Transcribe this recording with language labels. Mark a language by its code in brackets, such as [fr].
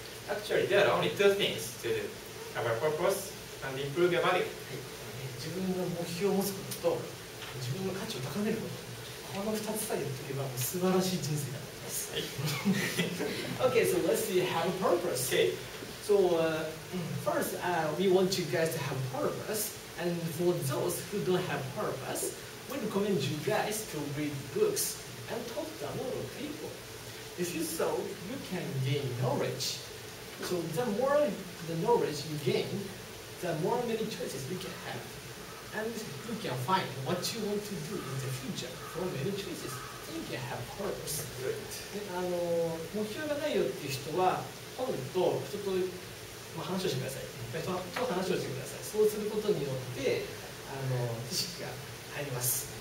[en] Actually, there are only two things to do: have a purpose and improve your value. [ja] 自分の目標を持つことと自分の価値を高めること。この二つさえやっておけば素晴らしい人生だと思います。 [en] Okay, so let's see. Have a purpose. Okay. So first, we want you guys to have purpose. And for those who don't have purpose, we recommend you guys to read books and talk to a lot of people. If you so, you can gain knowledge. So the more knowledge you gain, the more many choices you can have. And you can find what you want to do in the future for many choices. You can have purpose. Great. [ja] 目標がないよっていう人は、本と人と、話をしてください。人と話をしてください。そうすることによって、知識が入ります。